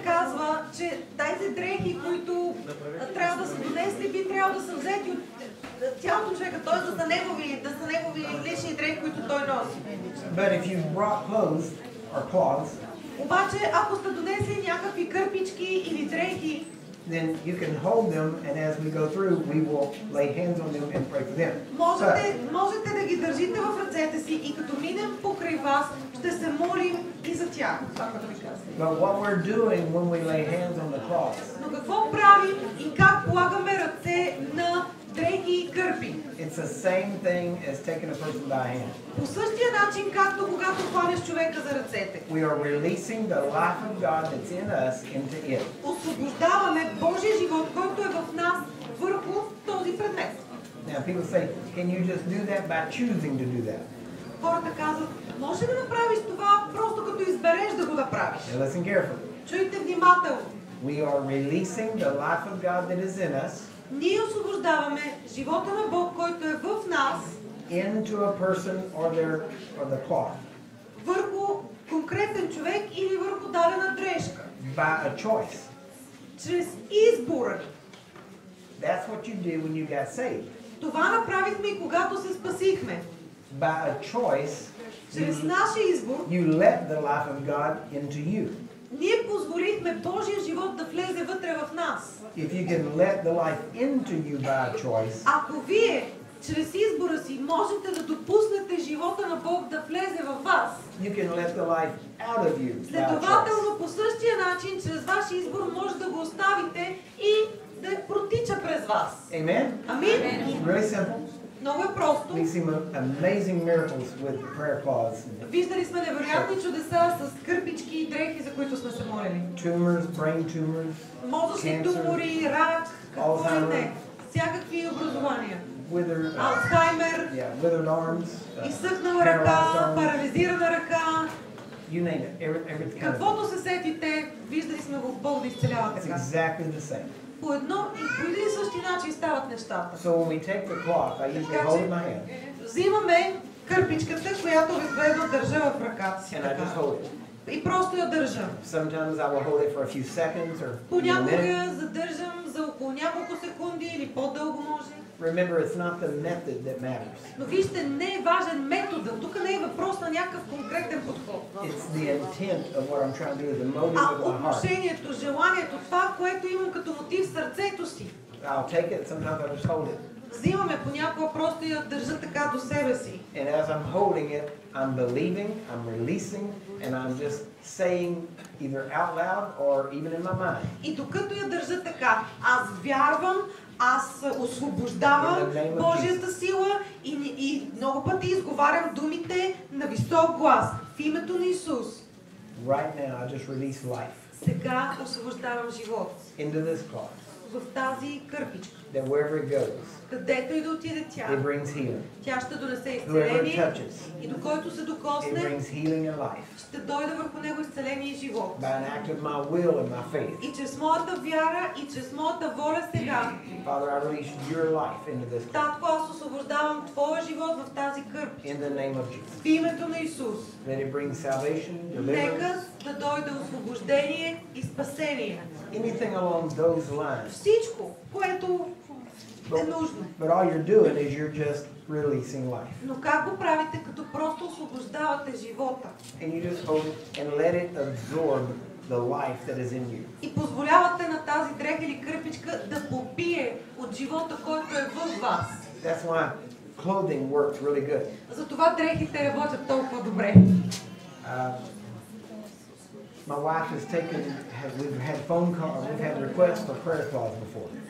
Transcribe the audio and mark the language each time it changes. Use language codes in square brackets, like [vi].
[bg] казва, че тези дрехи, които трябва да се донесли, би трябвало да са взети от тялото човека, т.е. да са негови, да са негови лични дрехи, които той носи. [en] But if you brought clothes or cloths, [bg] обаче ако сте донесли някакви кърпички или дрехи, [en] then you can hold them and as we go through we will lay hands on them and pray for them. [bg] Можете да ги държите в ръцете си и като минем покрай вас ще се молим и за тях. [en] But what we're doing when we lay hands on the cross? [bg] Но какво правим и как полагаме ръце на дрехи и кърпи? [en] It's the same thing as taking a person by hand. [bg] По същия начин както когато хванеш човека за ръцете. [en] We are releasing the life of God that's in us into it. [bg] Освобождаваме Божия живот, който е в нас, върху този предмет. [en] Now people say, can you just do that by choosing to do that? [bg] Хората казват, може ли да направиш това просто като избереш да го направиш? [en] Now listen carefully. [bg] Чуйте внимателно. [en] We are releasing the life of God that is in us. [bg] Ние освобождаваме живота на Бог, който е в нас, [en] into a person or their or the cloth. [bg] Върху конкретен човек или върху дадена дрешка. [en] By a choice. [bg] Чрез избора. [en] That's what you do when you got saved. [bg] Това направихме и когато се спасихме. [en] By a choice. [bg] Чрез нашия избор. [en] You let the life of God into you. [bg] Ние позволихме Божия живот да влезе вътре в нас. [en] If you can let the life into you by a choice. [bg] Ако вие чрез избора си можете да допуснете живота на Бог да влезе във вас. [en] You can let the life out of you. [bg] Следователно по същия начин чрез ваш избор може да го оставите и да протича през вас. [en] Amen. [bg] Амин. [en] Very simple. [bg] Много е просто. [en] We've seen amazing miracles with prayer cloths. [bg] Виждали сме невероятни чудеса с кърпички и дрехи, за които сме се молили. [en] Tumors, brain tumors, [bg] мозъчни тумори, рак, какво ли не. Всякакви образования. [en] Alzheimer. Yeah, withered arms. [bg] Изсъхнала ръка, парализирана ръка. [en] You name it. Everything. [bg] Каквото се сетите, виждали сме го в Бог да изцелява така. [en] It's exactly the same. [bg] По едно и по един и същи начин стават нещата. [en] So when we take the cloth, I usually hold in my hand. [bg] Взимаме кърпичката, която обикновено държа в ръката си. [en] And I just hold it. [bg] И просто я държа. [en] Sometimes I will hold it for a few seconds or. [bg] Понякога задържам за около няколко секунди или по-дълго може. [en] Remember, it's not the method that matters. [bg] Но вижте, не е важен методът. Тук не е въпрос на някакъв конкретен подход. [en] It's the intent of what I'm trying to do, the motive of my heart. [bg] А отношението, желанието, това, което имам като мотив в сърцето си. [en] I'll take it, sometimes I'll just hold it. [bg] Взимаме понякога просто я държа така до себе си. [en] And as I'm holding it, I'm believing, I'm releasing, and I'm just saying either out loud or even in my mind. [bg] И докато я държа така, аз вярвам, аз освобождавам Божията сила и много пъти изговарям думите на висок глас в името на Исус. [en] Right now I just release life. [bg] Сега освобождавам живот. [en] Into this cloth. [bg] В тази кърпичка. [en] That wherever it goes. [bg] Където и да отиде тя. [en] It brings healing. [bg] Тя ще донесе изцеление. И до който се докосне. [en] It brings healing and life. [bg] Ще дойде върху него изцеление и живот. [en] By an act of my will and my faith. [bg] И чрез моята вяра и чрез моята воля сега. [en] Father, I release your life into this. [bg] Татко, аз освобождавам твоя живот в тази кърпичка. [en] In the name of Jesus. [bg] В името на Исус. [en] Let it bring salvation, deliverance. [bg] Нека да дойде освобождение и спасение. [en] Anything along those lines. [bg] Всичко, което е нужно. [en] But all you're doing is you're just releasing life. [bg] Но как го правите, като просто освобождавате живота? [en] And you just hold it and let it absorb the life that is in you. [bg] И позволявате на тази дреха или кърпичка да попие от живота, който е в вас. [en] That's why clothing works really good. [bg] Затова дрехите работят толкова добре. [en] My wife has taken, we've had phone calls, we've had requests for prayer calls before.